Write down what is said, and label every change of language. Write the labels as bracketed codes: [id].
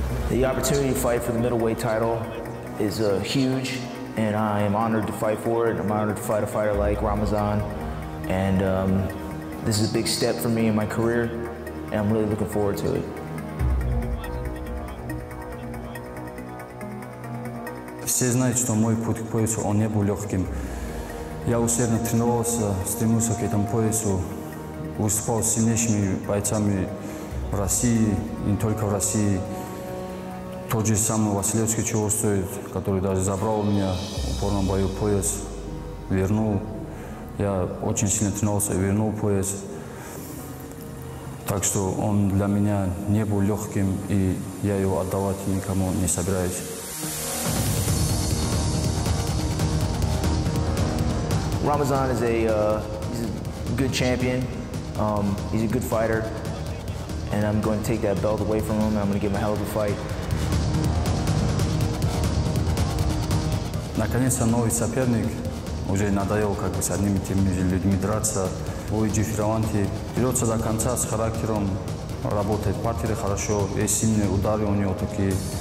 [en] The opportunity to fight for the middleweight title is huge, and I am honored to fight for it. I'm honored to fight a fighter like Ramazan, and this is a big step for me in my career, and I'm really looking forward to it. [ru] Все знают, что мой путь к поясу, он не был легким. Я усердно тренировался, стремился к этому поясу. Выступал с сильнейшими бойцами в России, и не только в России. Тот же самый Василевский, чего стоит, который даже забрал у меня в упорном бою пояс, вернул. Я очень сильно тренировался и вернул пояс. Так что он для меня не был легким, и я его отдавать никому не собираюсь. [en] Ramazan is a good champion. He's a good fighter, and I'm going to take that belt away from him, and I'm going to give him a hell of a fight. [ru] Наконец-то новый соперник. Уже надоел как бы с одними и теми же людьми драться. Луиджи Фированти берется до конца с характером, работает в партере хорошо, есть сильные удары у него такие.